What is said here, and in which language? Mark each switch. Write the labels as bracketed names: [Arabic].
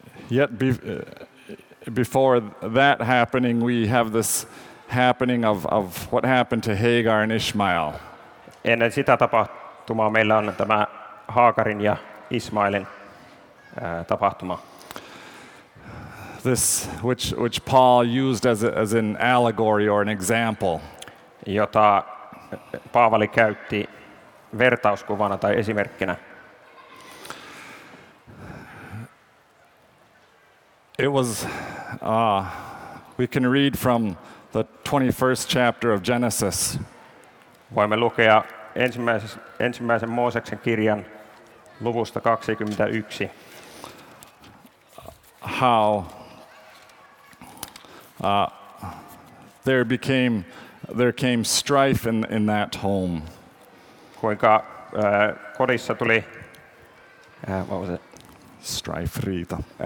[English] Yet before that happening, we have this happening of what happened to Hagar and Ishmael. [Finnish] Ennen sitä tapahtumaa meillä on tämä Haakarin ja Ismailin tapahtuma. [English] This which Paul used as an allegory or an example. [Finnish] Jota Paavali käytti vertauskuvana tai esimerkkinä. [English] It was we can read from the 21st chapter of Genesis. [Finnish] Voimme lukea ensimmäisen Mooseksen kirjan luvusta 21. [English] How there came strife in that home. [Finnish] Kuinka kodissa tuli strife, riita.